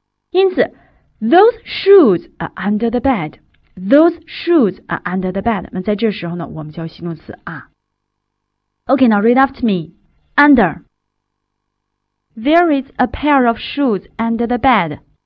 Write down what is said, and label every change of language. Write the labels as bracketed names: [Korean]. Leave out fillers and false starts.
[Chinese] 因此 [English] those shoes are under the bed, those shoes are under the bed。 [Chinese] 那在这时候呢，我们就要系动词 are。 [English] OK, now read after me. Under,There is a pair of shoes under the bed.